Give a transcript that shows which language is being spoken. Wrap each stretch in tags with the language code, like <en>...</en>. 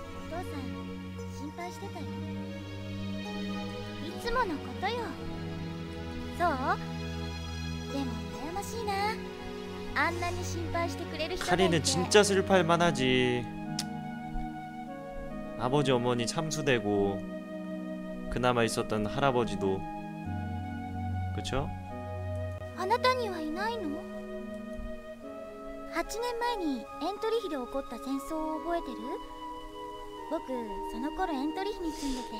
<ja>お父さん、心配してたよ。いつものことよ。そう？でも羨ましいな。あんなに心配してくれる人がいて。彼は</ja> <ko>진짜슬플만하지。 아버지어머니참수되고그나마있었던할아버지도그쵸</ko> <ja>あなたにはいないの?8年前にエントリヒで起こった戦争を覚えてる僕その頃エントリヒに住んでて</ja>